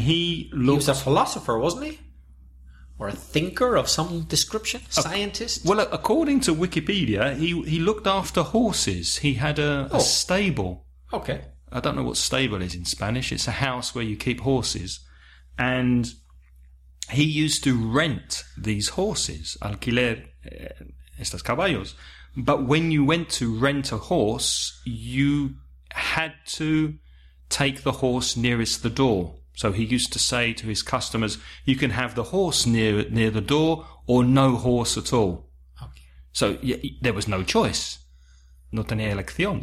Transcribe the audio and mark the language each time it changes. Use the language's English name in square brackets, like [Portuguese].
[English] he was a philosopher, wasn't he? Or a thinker of some description? Scientist? Well, according to Wikipedia, he looked after horses. He had a stable. Okay. I don't know what stable is in Spanish. It's a house where you keep horses. And he used to rent these horses. [Spanish] Alquiler estos caballos. [English] But when you went to rent a horse, you had to take the horse nearest the door. So he used to say to his customers, you can have the horse near the door or no horse at all. Okay. So there was no choice. [Spanish] No tenía elección.